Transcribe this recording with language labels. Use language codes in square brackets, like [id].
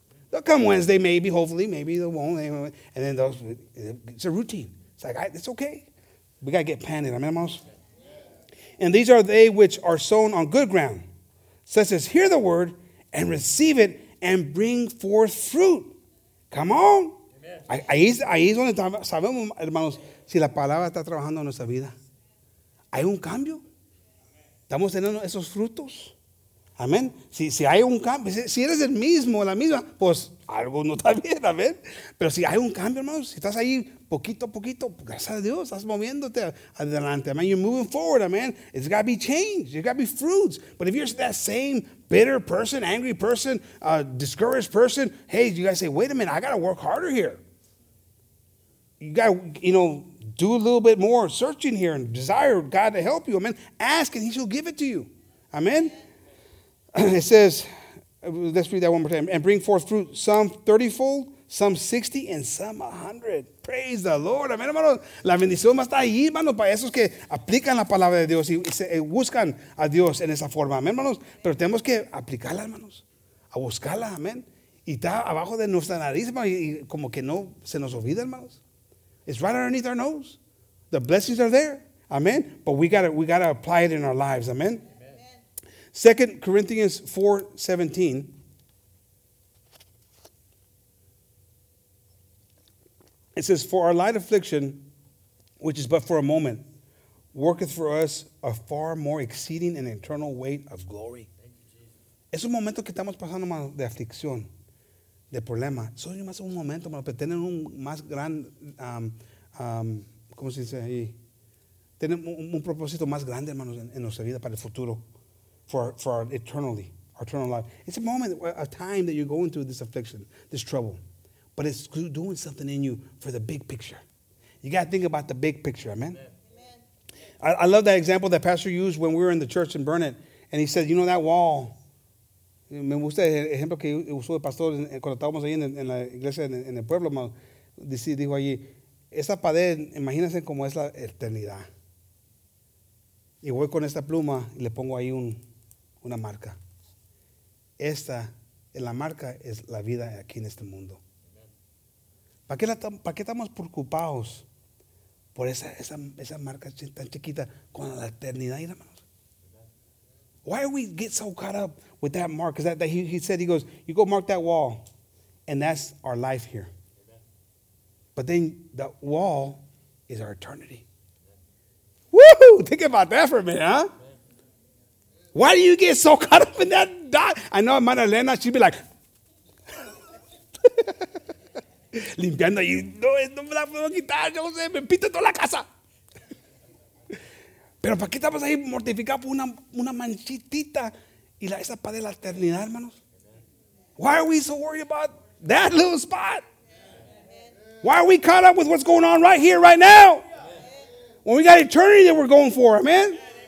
[en] They'll come Wednesday, maybe, hopefully, maybe they won't. And then it's a routine. It's like, it's okay. We got to get planted. Amen, hermanos? And these are they which are sown on good ground, such as hear the word and receive it and bring forth fruit. Come on. Amen. [es] Ahí es donde sabemos, hermanos, si la palabra está trabajando en nuestra vida. Hay un cambio. Estamos teniendo esos frutos. Amén. Si hay un cambio, si eres el mismo, la misma, pues algo no está bien, amén. Pero si hay un cambio, hermanos, si estás ahí poquito a poquito, gracias a Dios, estás moviéndote adelante, amén. [en] You're moving forward, amén. It's got to be changed. It's got to be fruits. But if you're that same bitter person, angry person, discouraged person, hey, you got to say, wait a minute, I got to work harder here. You got to, you know, do a little bit more searching here and desire God to help you, amén. Ask and he shall give it to you. Amen? It says, let's read that one more time. And bring forth fruit, some 30-fold, some 60, and some 100. Praise the Lord. Amen, hermano. [es] La bendición está ahí, hermano, para esos que aplican la palabra de Dios y buscan a Dios en esa forma. Amen, hermanos. Pero tenemos que aplicarla, hermanos. A buscarla, amen. Y está abajo de nuestra nariz, hermano, y como que no se nos olvida, hermanos. [en] It's right underneath our nose. The blessings are there. Amen. But we gotta apply it in our lives. Amen. 2 Corinthians 4:17. It says, "For our light affliction, which is but for a moment, worketh for us a far more exceeding and eternal weight of glory." [es] Es un momento que estamos pasando más de aflicción, de problema. Son más un momento, pero tienen un más gran, ¿cómo se dice ahí? Tienen un propósito más grande, hermanos, en nuestra vida para el futuro. [en] For our eternally, our eternal life. It's a moment, a time that you're going through this affliction, this trouble. But it's doing something in you for the big picture. You got to think about the big picture, amen? Amen. I love that example that Pastor used when we were in the church in Burnett. And he said, you know that wall? [es] Me gusta el ejemplo que usó el pastor cuando estábamos ahí en la iglesia en el pueblo. Dijo allí, esa pared, imagínense cómo es la eternidad. Y voy con esta pluma y le pongo ahí una marca. Esta, la marca es la vida aquí en este mundo. ¿Para qué estamos preocupados por esa marca tan chiquita con la eternidad, hermanos? [en] Why do we get so caught up with that mark? Because he said, he goes, you go mark that wall, and that's our life here. But then the wall is our eternity. Woohoo! Think about that for a minute, huh? Why do you get so caught up in that dot? I know Mana Elena, she'd be like, [es] limpiando y no me la puedo quitar, yo no sé, me pita toda la casa. Pero ¿para qué estamos ahí mortificados por una manchitita y esa pared de la eternidad, hermanos? [en] Why are we so worried about that little spot? Why are we caught up with what's going on right here, right now? When we got eternity that we're going for, amen?